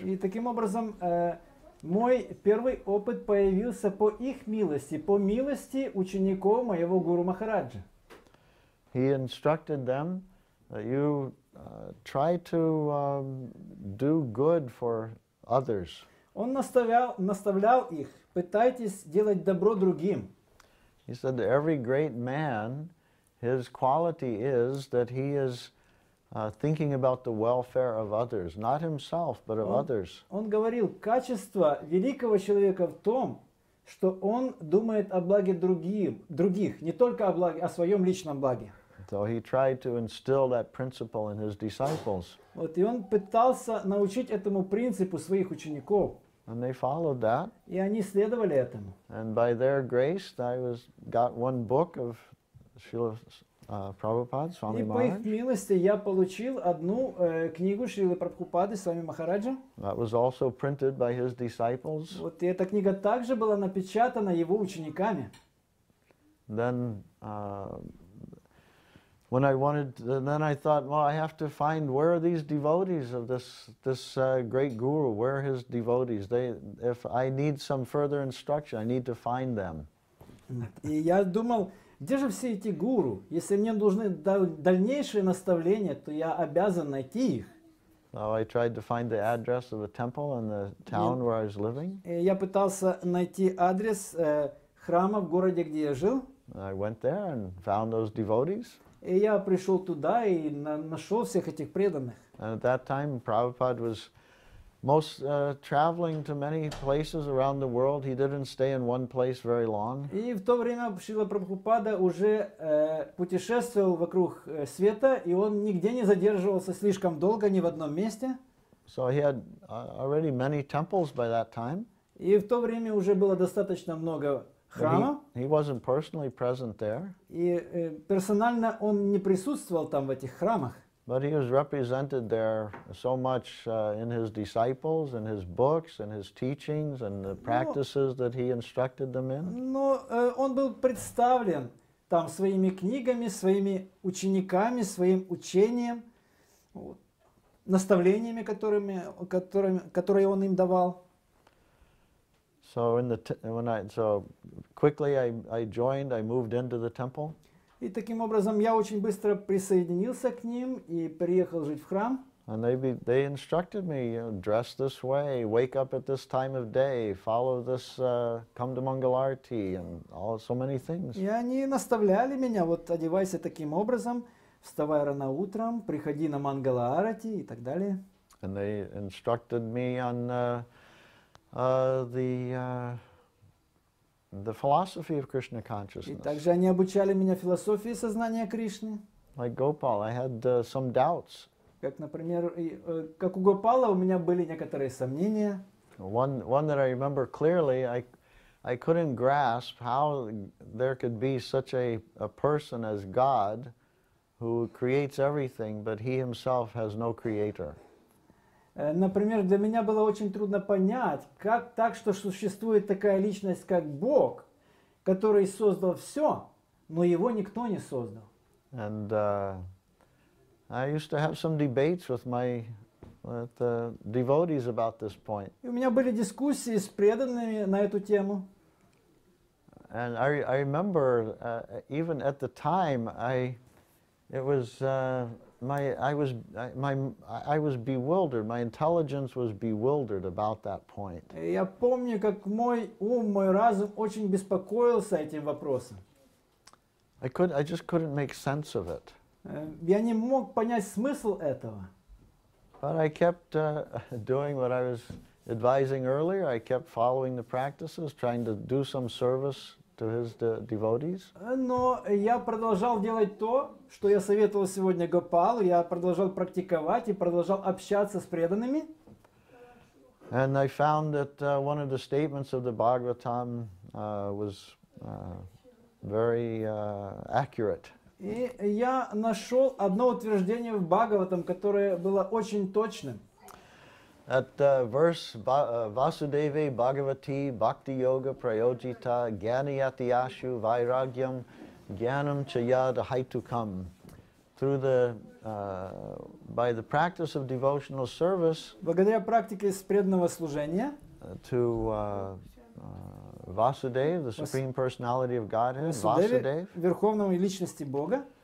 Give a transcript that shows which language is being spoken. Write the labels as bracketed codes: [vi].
[ru] И таким образом мой первый опыт появился по их милости, по милости учеников моего Гуру Махараджа. [en] He instructed them that you try to do good for others. [ru] Он наставлял их, пытайтесь делать добро другим. [en] He said that every great man, his quality is that he is thinking about the welfare of others, not himself, but of others. [ru] Он говорил, качество великого человека в том, что он думает о благе других, не только о благе, о своем личном благе. [en] So he tried to instill that principle in his disciples. [ru] Вот, и он пытался научить этому принципу своих учеников. [en] And they followed that. [ru] И они следовали этому. [en] And by their grace, I was got one book of Srila Prabhupada, Swami Maharaj. [ru] И по их милости я получил одну книгу Шрилы Прабхупады, Свами Махараджа. [en] That was also printed by his disciples. [ru] Вот, и эта книга также была напечатана его учениками. [en] Then, when I wanted, then I thought, well, I have to find where are these devotees of this great guru? Where are his devotees? They, if I need some further instruction, I need to find them. [ru] И я думал, где же все эти гуру? Если мне нужны дальнейшие наставления, то я обязан найти их. [en] So I tried to find the address of a temple in the town where I was living. [ru] Я пытался найти адрес храма в городе, где я жил. [en] I went there and found those devotees. [ru] И я пришел туда и нашел всех этих преданных. [en] And at that time, Prabhupada was most traveling to many places around the world. He didn't stay in one place very long. [ru] И в то время Шрила Прабхупада уже путешествовал вокруг света, и он нигде не задерживался слишком долго, ни в одном месте. [en] So he had already many temples by that time. [ru] И в то время уже было достаточно много храма. [en] He wasn't personally present there. [ru] И персонально он не присутствовал там в этих храмах. [en] But he was represented there so much in his disciples, in his books, in his teachings, and the practices that he instructed them in. [ru] Но он был представлен там своими книгами, своими учениками, своим учением, наставлениями, которые он им давал. [en] So in the I joined, I moved into the temple. [ru] И таким образом я очень быстро присоединился к ним и переехал жить в храм. [en] And they instructed me, you know, dress this way, wake up at this time of day, follow this, come to Mangal Arati, and all so many things. [ru] И они наставляли меня, вот одевайся таким образом, вставай рано утром, приходи на Мангал Арати и так далее. [en] And they instructed me on the philosophy of Krishna consciousness. [ru] И также они обучали меня философии сознания Кришны. [en] Like Gopal, I had some doubts. [ru] Как, например, как у Гопала у меня были некоторые сомнения. [en] One that I remember clearly, I couldn't grasp how there could be such a person as God, who creates everything, but he himself has no creator. [ru] Например, для меня было очень трудно понять, как так, что существует такая личность, как Бог, который создал все, но его никто не создал. [en] And I used to have some debates with my devotees about this point. [ru] И у меня были дискуссии с преданными на эту тему. [en] And I remember even at the time I was bewildered. My intelligence was bewildered about that point. [ru] Я помню, как мой ум, мой разум очень беспокоился этим вопросом. [en] I just couldn't make sense of it. [ru] Я не мог понять смысл этого. [en] But I kept doing what I was advising earlier. I kept following the practices, trying to do some service to his devotees. [ru] Но я продолжал делать то, что я советовал сегодня Гопалу. Я продолжал практиковать и продолжал общаться с преданными. [en] And I found that one of the statements of the Bhagavatam was very accurate. [ru] И я нашел одно утверждение в Бхагаватам, которое было очень точным. [en] At verse [sa] Vasudeva Bhagavati Bhakti Yoga Prayojita Gyaniyati Ashu Vairagyam Gyanam Chayad Haitukam. [en] Through the by the practice of devotional service. [ru] Благодаря практике преданного служения. [en] To Vasudeva, the Supreme Personality of Godhead. Vasudeva. [ru] Верховной личности Бога.